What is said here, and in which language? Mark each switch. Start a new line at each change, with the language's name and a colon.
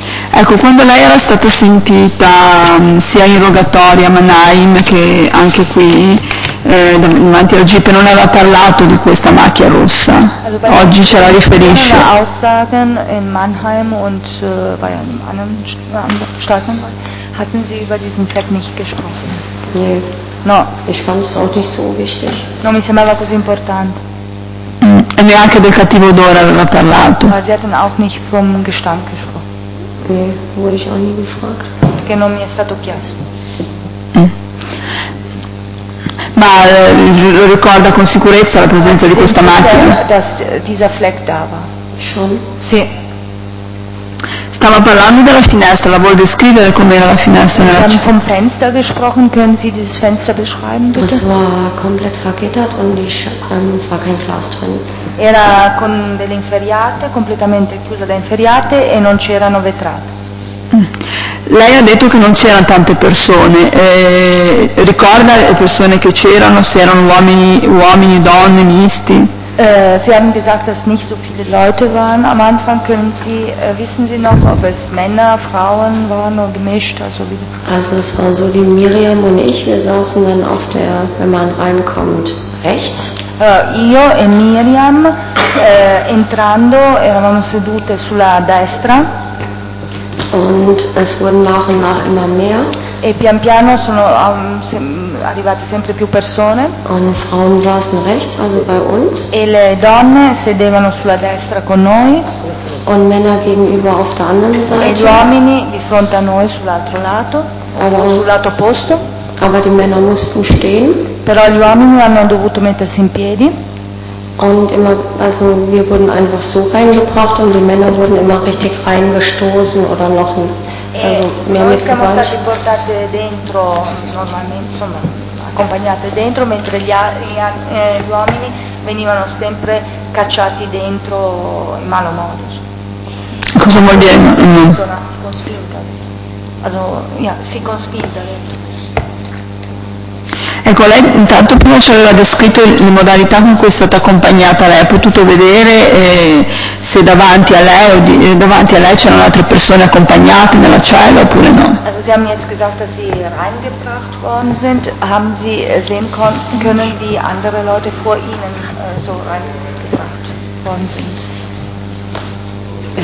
Italian: Ecco, quando lei era stata sentita sia in rogatoria a Mannheim che anche qui davanti al GIP, non aveva parlato di questa macchia rossa.
German: Also
Italian: oggi ce la riferisce.
German: Aussagen in Mannheim und bei einem anderen Staatsanwalt hatten Sie über diesen Fleck nicht gesprochen? Nee.
Italian: No.
German: Ich fand es auch nicht so wichtig.
Italian: Non mi sembrava così importante. E neanche del cattivo odore aveva parlato.
German: Ma Sie hatten auch nicht vom Gestank gesprochen. Nee, wurde ich auch nie gefragt.
Italian: Che non mi è stato chiesto. Ma lo ricorda con sicurezza la presenza di questa macchina?
German: Dass dieser Fleck da war. Schon?
Italian: Sì. Stava parlando della finestra, la vuol descrivere com'era la finestra?
German: Wir haben vom Fenster gesprochen, können Sie dieses Fenster beschreiben, bitte? Das war komplett vergittert und es war kein Glas drin.
Italian: Era con delle inferriate, completamente chiusa da inferriate e non c'erano vetrate. Lei ha detto che non c'erano tante persone, ricorda le persone che c'erano, se erano uomini, donne, misti?
German: Sie haben gesagt, dass nicht so viele Leute waren. Am Anfang können Sie, wissen Sie noch, ob es Männer, Frauen waren oder gemischt? Also, wie also es war so, die Miriam und ich, wir saßen dann auf der, wenn man reinkommt, rechts.
Italian: Io e Miriam, entrando, eravamo sedute sulla destra.
German: Und es wurden nach und nach immer mehr.
Italian: E pian piano sono arrivate sempre più persone.
German: Und Frauen saßen rechts, also bei uns.
Italian: E le donne sedevano sulla destra con noi.
German: Und Männer gegenüber auf der anderen Seite.
Italian: E gli uomini di fronte a noi sull'altro lato, aber, sul lato opposto.
German: Aber die Männer mussten stehen.
Italian: Però gli uomini hanno dovuto mettersi in piedi.
German: Und immer, also wir wurden einfach so reingebracht und die Männer wurden immer richtig reingestoßen oder noch ein, also mehr
Italian: noi siamo stati portate dentro normalmente, insomma, accompagnate dentro, mentre gli uomini venivano sempre cacciati dentro in malo modo. Cosa vuol dire? Con spinta. Also, sì, con spinta dentro. Ecco, lei intanto prima ci aveva descritto le modalità con cui è stata accompagnata, lei ha potuto vedere se davanti a lei o davanti a lei c'erano altre persone accompagnate nella cella oppure no?
German: Also Sie haben jetzt gesagt, dass Sie reingebracht worden sind. Haben Sie sehen können, wie andere Leute vor Ihnen so reingebracht worden sind?